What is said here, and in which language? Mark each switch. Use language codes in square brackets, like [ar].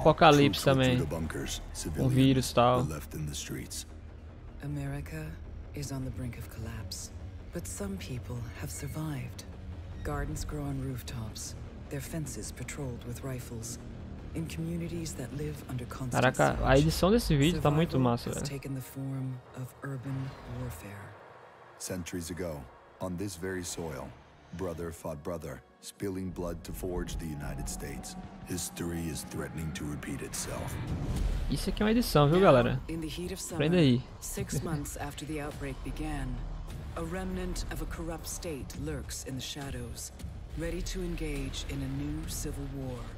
[pt] Apocalypse também. [en] The bunkers, civilians [pt] um vírus, tal. [en] Were left in the streets. America is on the brink of collapse, but some people have survived. Gardens grow on rooftops, their fences patrolled with rifles. In communities that live under constant siege. [pt] Caraca, a edição desse vídeo tá muito massa, velho. [en] Has taken the form of urban warfare. Centuries ago, on this very soil, brother fought brother, spilling blood to forge the United States. History is threatening to repeat itself. [pt] Isso aqui é uma edição, viu, galera? [en] In the heat of summer, [pt] aprenda aí. [en] 6 months after the outbreak began. A remnant of a corrupt state lurks in the shadows, ready to engage in a new civil war.